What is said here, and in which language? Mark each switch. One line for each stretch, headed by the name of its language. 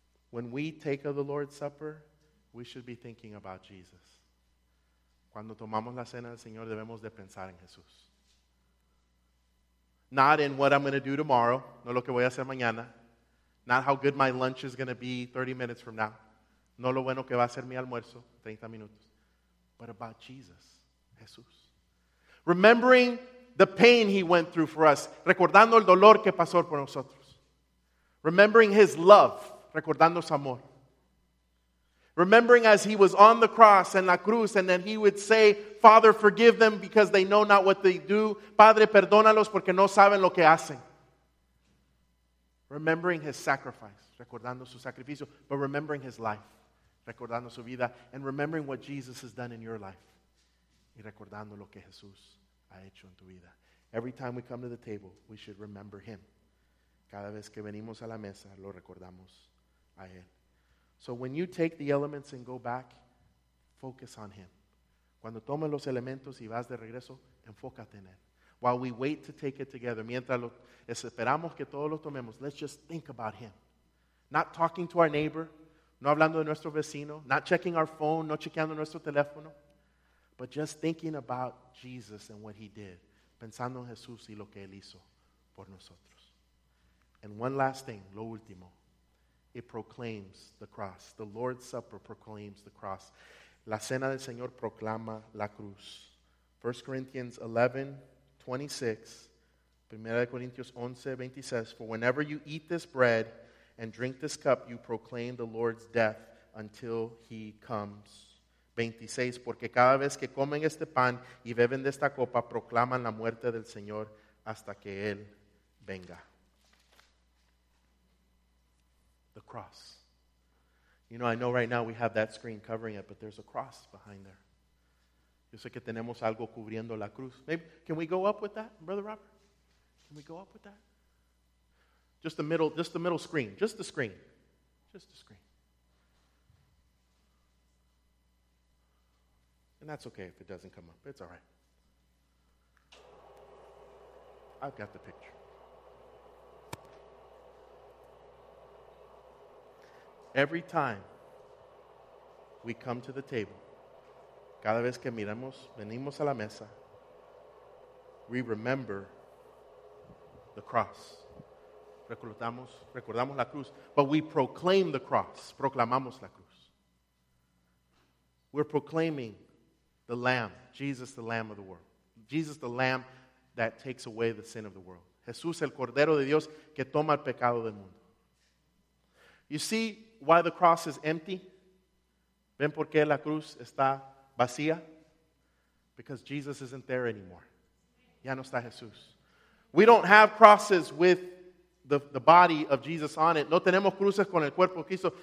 English: When we take of the Lord's Supper, we should be thinking about Jesus.
Spanish: Cuando tomamos la cena del Señor, debemos de pensar en Jesús.
English: Not in what I'm going to do tomorrow,
Spanish: no lo que voy a hacer mañana.
English: Not how good my lunch is going to be 30 minutes from now.
Spanish: No lo bueno que va a ser mi almuerzo, 30 minutos.
English: But about Jesus, Jesús. Remembering the pain he went through for us.
Spanish: Recordando el dolor que pasó por nosotros.
English: Remembering his love.
Spanish: Recordando su amor.
English: Remembering as he was on the cross and la cruz, and then he would say, Father, forgive them because they know not what they do.
Spanish: Padre, perdónalos porque no saben lo que hacen.
English: Remembering his sacrifice,
Spanish: recordando su sacrificio,
English: but remembering his life,
Spanish: recordando su vida,
English: and remembering what Jesus has done in your life. Y
Spanish: y recordando lo que Jesús ha hecho en tu vida.
English: Every time we come to the table, we should remember him.
Spanish: Cada vez que venimos a la mesa, lo recordamos a él.
English: So when you take the elements and go back, focus on him.
Spanish: Cuando tomes los elementos y vas de regreso, enfócate en él.
English: While we wait to take it together,
Spanish: mientras lo esperamos que todos lo tomemos,
English: let's just think about him. Not talking to our neighbor,
Spanish: no hablando de nuestro vecino,
English: not checking our phone,
Spanish: no chequeando nuestro teléfono,
English: but just thinking about Jesus and what he did.
Spanish: Pensando en Jesús y lo que él hizo por nosotros.
English: And one last thing,
Spanish: lo último.
English: It proclaims the cross. The Lord's Supper proclaims the cross.
Spanish: La cena del Señor proclama la cruz.
English: 1 Corinthians 11, 26. 1 Corinthians 11, 26. For whenever you eat this bread and drink this cup, you proclaim the Lord's death until he comes.
Spanish: 26, porque cada vez que comen este pan y beben de esta copa, proclaman la muerte del Señor hasta que Él venga.
English: The cross. You know, I know right now we have that screen covering it, but there's a cross behind there.
Spanish: Yo sé que tenemos algo cubriendo la cruz.
English: Maybe, can we go up with that, Brother Robert? Can we go up with that? Just the middle screen. Just the screen. And that's okay if it doesn't come up. It's all right. I've got the picture. Every time we come to the table,
Spanish: cada vez que miramos, venimos a la mesa,
English: we remember the cross.
Spanish: Recordamos la cruz.
English: But we proclaim the cross.
Spanish: Proclamamos la cruz.
English: We're proclaiming the Lamb, Jesus, the Lamb of the world. Jesus, the Lamb that takes away the sin of the world.
Spanish: Jesús, el Cordero de Dios, que toma el pecado del mundo.
English: You see why the cross is empty?
Spanish: ¿Ven por qué la cruz está vacía?
English: Because Jesus isn't there anymore.
Spanish: Ya no está Jesús.
English: We don't have crosses with the body of Jesus on it.
Spanish: No tenemos cruces con el cuerpo de Cristo.